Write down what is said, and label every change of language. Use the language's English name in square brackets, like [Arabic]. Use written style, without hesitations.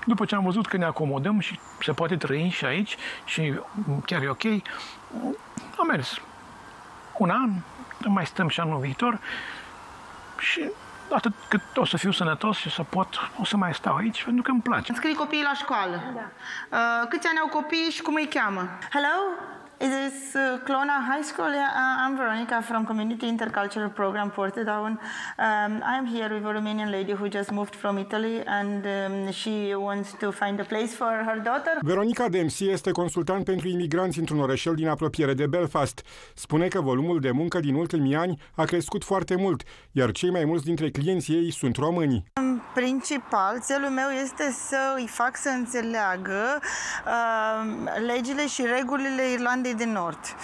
[Romanian] După ce am văzut că ne acomodăm și se poate trăi și aici și chiar e ok, am mers. Un an, mai stăm și anul viitor și atât cât o să fiu sănătos și să pot, o să mai stau aici pentru că îmi place. Înscrii copiii la școală. Da. Câți ani au copii și cum îi cheamă? [English] Hello, is this Clona High School? Yeah, I'm Veronica from Community Intercultural Program Portadown. I'm here with a Romanian lady who just moved from Italy and she wants to find a place for her daughter. [Romanian] Veronica Dempsey este consultant pentru imigranți într-un orășel din apropiere de Belfast. Spune că volumul de muncă din ultimii ani a crescut foarte mult, iar cei mai mulți dintre clienții ei sunt români. În principal, țelul meu este să îi fac să înțeleagă legile și regulile Irlandei de Nord.